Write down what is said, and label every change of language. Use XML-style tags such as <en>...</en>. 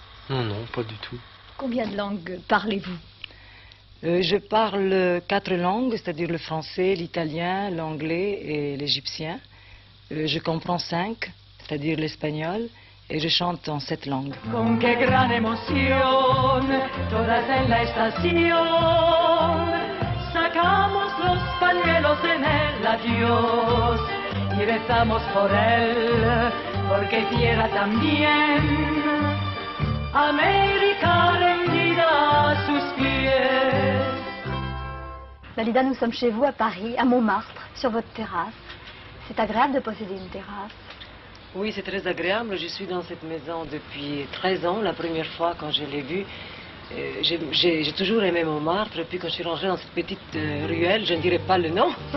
<fr>Non, pas du tout. Combien de langues parlez-vous? Je parle 4 langues, c'est-à-dire le français, l'italien, l'anglais et l'égyptien. Je comprends 5, c'est-à-dire l'espagnol, et je chante en 7 langues.</fr> <es>Con que gran emoción, todas en la estación, sacamos los pañuelos en el adiós, y rezamos por él. Porque quiera también América rendida a sus pies.</es> <fr>Dalida, nous sommes chez vous à Paris, à Montmartre, sur votre terrasse. C'est agréable de posséder une terrasse. Oui, c'est très agréable. Je suis dans cette maison depuis 13 ans. La première fois quand je l'ai vue, j'ai toujours aimé Montmartre. Et puis quand je suis rentrée dans cette petite ruelle, je ne dirai pas le nom.</fr>